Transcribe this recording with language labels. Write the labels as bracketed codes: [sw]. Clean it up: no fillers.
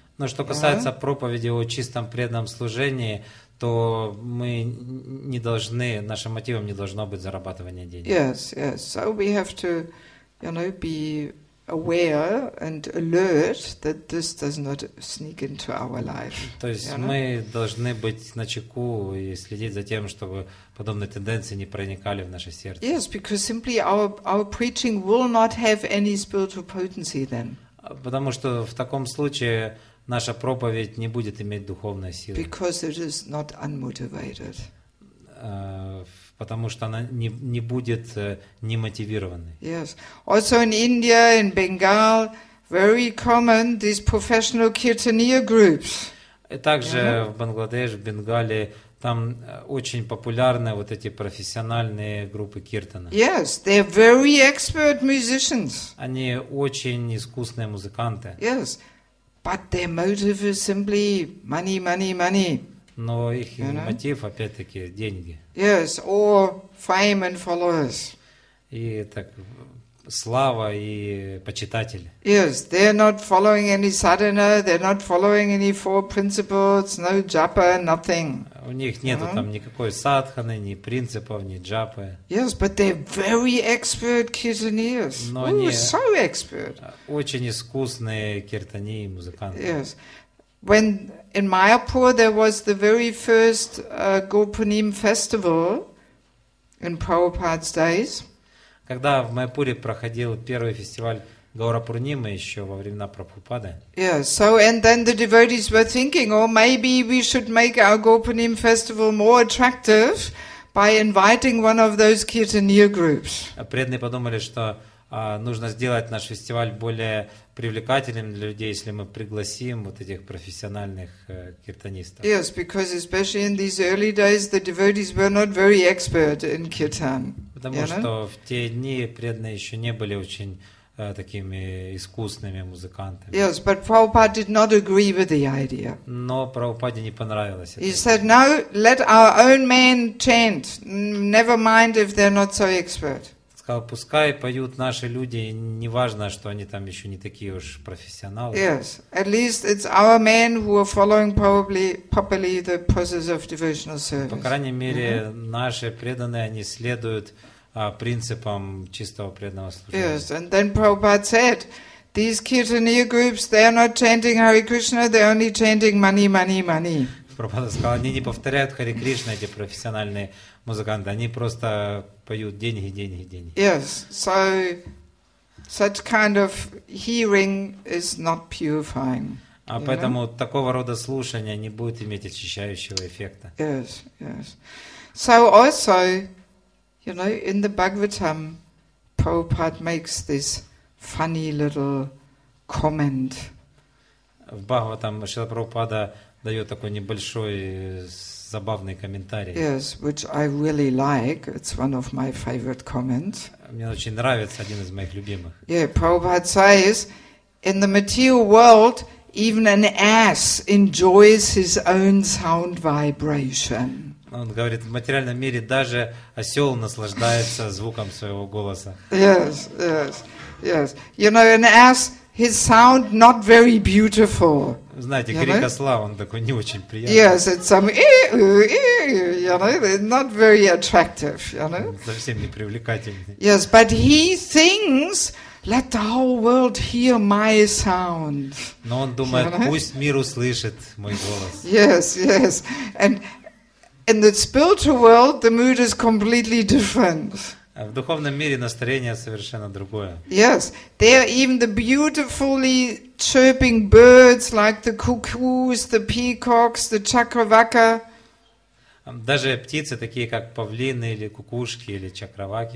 [ru] Но что касается проповеди о чистом преданном служении, то мы не должны, нашим мотивом не должно быть зарабатывание денег. [en] Yes, yes. So we have to, you know, be aware and alert that this does not sneak into our life. [ru] То есть мы должны быть начеку и следить за тем, чтобы подобные тенденции не проникали в наше сердце. [en] Yes, because simply our preaching will not have any spiritual potency then. [ru] Потому что в таком случае наша проповедь не будет иметь духовной силы. [en] Because it is not unmotivated. [ru] Потому что она не будет немотивированной. [en] Yes. Also in India, in Bengal, very common these professional kirtaniya groups. [ru] И также в Бангладеш, в Бенгале, там очень популярны вот эти профессиональные группы киртана. [en] Yes, they are very expert musicians. [ru] Они очень искусные музыканты. [en] Yes. But their motive is simply money, money, money. [ru] Но их мотив, опять-таки, деньги. [en] Yes, or fame and followers. [ru] И так слава и почитатели. [en] Yes, they are not following any sadhana, they are not following any four principles, no japa, nothing. [ru] У них нету там никакой садханы, ни принципов, ни джапы. [en] Yes, but they're very expert kirtaniers. [ru] Но они [en] so expert. [ru] Очень искусные киртани и музыканты. [en] Yes. When in Mayapur there was the very first Gopanim festival in Prabhupada's days. [ru] Когда в Майпуре проходил первый фестиваль Гаурапурнима еще во времена Прабхупады. [en] Yeah, so and then the devotees were thinking, oh, maybe we should make our Gopanim festival more attractive by inviting one of those kirtaniya groups. [ru] Преданные подумали, что нужно сделать наш фестиваль более привлекательным для людей, если мы пригласим вот этих профессиональных киртанистов. [en] Yes, because especially in these early days, the devotees were not very expert in kirtan. [ru] Потому [en] you [ru] что [en] know? [ru] В те дни преданные еще не были очень такими искусными музыкантами. [en] Yes, but Prabhupada did not agree with the idea. [ru] Но Прабхупаде не понравилось. [en] He said, "No, let our own men chant. Never mind if they're not so expert." [ru] Сказал, пускай поют наши люди, неважно, что они там еще не такие уж профессионалы. [en] Yes, at least it's our men who are following probably properly the process of devotional service. [ru] По крайней мере, наши преданные, они следуют принципам чистого преданного служения. [en] Yes, and then Prabhupada said, these kirtaniya groups, they are not chanting Hare Krishna, they are only chanting money, money, money. [ru] Прабхупада сказал, они не повторяют Хари Кришна, эти профессиональные музыканты, они просто поют деньги, деньги, деньги. [en] Yes, so such kind of hearing is not purifying. [ru] А поэтому такого рода слушание не будет иметь очищающего эффекта. [en] Yes, yes. So also, you know, in the Bhagavatam, Prabhupada makes this funny little comment. [ru] В Бхагаватам Шрила Прабхупада дает такой небольшой забавный комментарий. [en] Yes, which I really like. It's one of my favorite comments. [ru] Мне очень нравится, один из моих любимых. [en] Yeah, Prabhupada says, in the material world, even an ass enjoys his own sound vibration. [ru] Он говорит, в материальном мире даже осел наслаждается звуком своего голоса. [en] Yes, yes, yes. You know, an ass, his sound not very beautiful. [ru] Знаете, крик осла, он такой не очень приятный. [en] Yes, it's some you know, not very attractive, you know. [ru] Совсем не привлекательный. [en] Yes, but he thinks, let the whole world hear my sound. [ru] Но он думает, пусть мир услышит мой голос. [en] Yes, yes. And in the spiritual world, the mood is completely different. [ru] В духовном мире настроение совершенно другое. [en] Yes, there even the beautifully chirping birds like the cuckoos, the peacocks, the chakravaka. [ru] Даже птицы такие как павлины или кукушки или чакраваки.